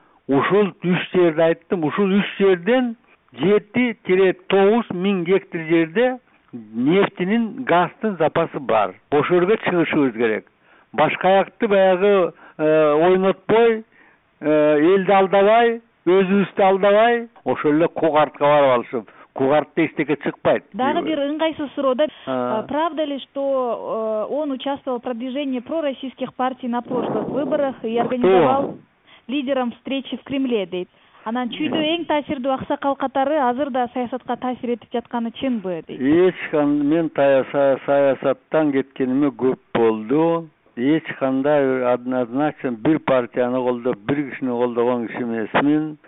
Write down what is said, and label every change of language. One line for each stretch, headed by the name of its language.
Kyrgyz: Ушул 3 жерди айттым, ушул 3 жерден 7-9000 гектар жерде нефтинин, газдын запасы бар. Ошолорго чыгышыбыз керек. Башка жакты баягы ойнотпой, элди алдабай, өзүбүздү алдабай, ошол эле Кугартка барып алышып, Кугартта эчтеке чыкпайт. Дагы бир ыңгайсыз суроо да.
Russian: Правда ли, что он участвовал в продвижении пророссийских партий на прошлых выборах и организовал лидером встречи в Кремле,
Kyrgyz: дейт. Анан чүйдө эң таасирдүү аксакал катары азыр да саясатка таасир этип жатканы чынбы дейт? Эч кандай, мен саясаттан кеткениме көп болду. Эч кандай однозначно бир партияны колдоп, бир кишини колдогон киши эмесмин.